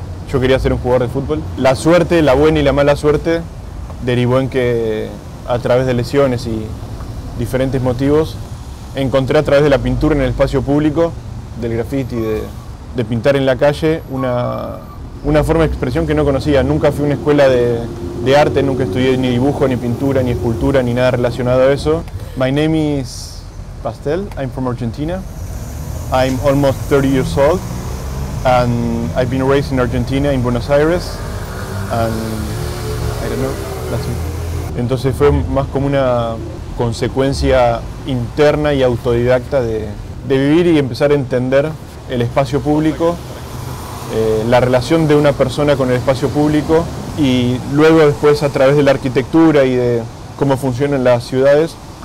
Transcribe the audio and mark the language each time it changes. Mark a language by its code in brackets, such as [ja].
[es] Yo quería ser un jugador de fútbol. La suerte, la buena y la mala suerte, derivó en que a través de lesiones y diferentes motivos, encontré a través de la pintura en el espacio público, del graffiti, de pintar en la calle, una forma de expresión que no conocía. Nunca fui a una escuela de arte, nunca estudié ni dibujo, ni pintura, ni escultura, ni nada relacionado a eso. [en] My name is Pastel, I'm from Argentina. I'm almost 30 years old, and I've been raised in Argentina, in Buenos Aires, and I don't know, that's it. [es] Entonces fue más como una consecuencia interna y autodidacta de vivir y empezar a entender el espacio público, la relación de una persona con el espacio público, y luego después a través de la arquitectura y de cómo funcionan las ciudades,